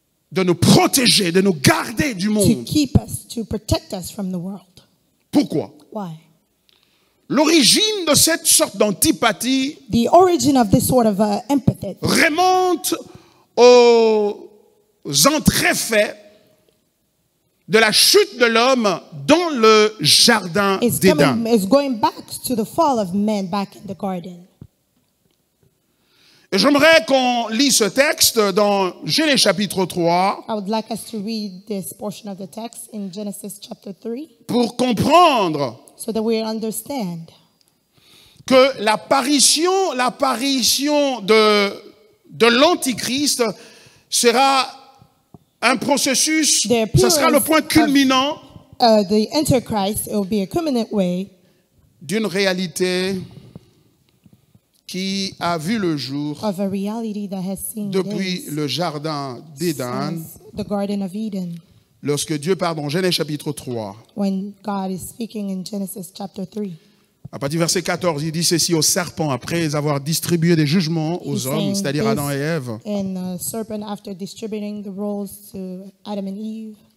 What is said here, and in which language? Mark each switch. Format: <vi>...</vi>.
<fr>de nous protéger, de nous garder du monde.</fr> <en>To keep us, to protect us from the world.</en> <fr>Pourquoi?</fr> <en>Why?</en> <fr>L'origine de cette sorte d'antipathie</fr> <en>the origin of this sort of, empathy</en> <fr>remonte aux entrefaits de la chute de l'homme dans le jardin d'Éden.</fr> <en>It's going back to the fall of man back in the garden.</en> <fr>Et j'aimerais qu'on lise ce texte dans Genèse chapitre 3.</fr> <en>I would like us to read this portion of the text in Genesis chapter 3.</en> <fr>Pour comprendre</fr> <en>so that we understand</en> <fr>que l'apparition de l'Antichrist sera un processus, ce sera le point culminant</fr> <en>The Antichrist, it will be a culminant way</en> <fr>d'une réalité qui a vu le jour</fr> <en>of a reality that has seen</en> <fr>depuis le jardin d'Éden,</fr> <en>the Garden of Eden.</en> <fr>Lorsque Dieu parle dans Genèse chapitre 3,</fr> <en>when God is speaking in Genesis chapter 3.</en> <fr>À partir du verset 14, il dit ceci au serpent, après avoir distribué des jugements aux hommes, c'est-à-dire Adam et Ève.</fr> <en>And the serpent after distributing the roles to Adam and Eve.</en>